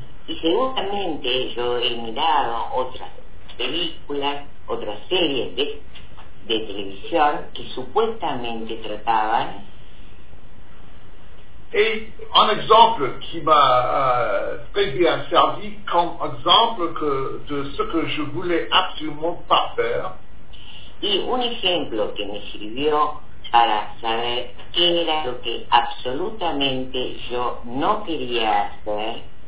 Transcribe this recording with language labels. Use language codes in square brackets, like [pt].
[es] Y seguramente yo he mirado otras películas, otras series de televisión que supuestamente trataban. [fr] Et un exemple qui m'a très bien servi comme exemple de ce que je voulais absolument pas faire. [es] Y un ejemplo que me sirvió para saber qué era lo que absolutamente yo no quería hacer.